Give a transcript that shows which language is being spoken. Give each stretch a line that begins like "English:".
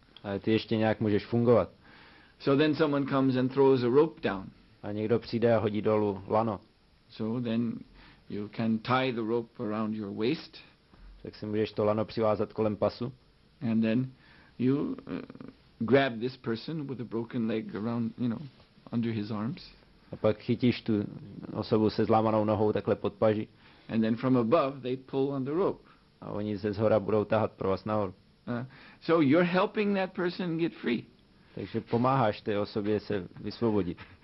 Czech: Ale ty ještě nějak můžeš fungovat.
English: So then someone comes and throws a rope down.
Czech: A někdo přijde a hodí dolů lano.
English: So then you can tie the rope around your waist.
Czech: Tak si můžeš to lano přivázat kolem pasu.
English: And then you grab this person with a broken leg around, you know, under his arms.
Czech: A pak chytíš tu osobu se zlámanou nohou takhle pod paži.
English: And then from above they pull on the rope.
Czech: A oni ze zhora budou tahat pro vás nahoru.
English: So you're helping that person get free.
Czech: Takže pomáháš té osobě se vysvobodit.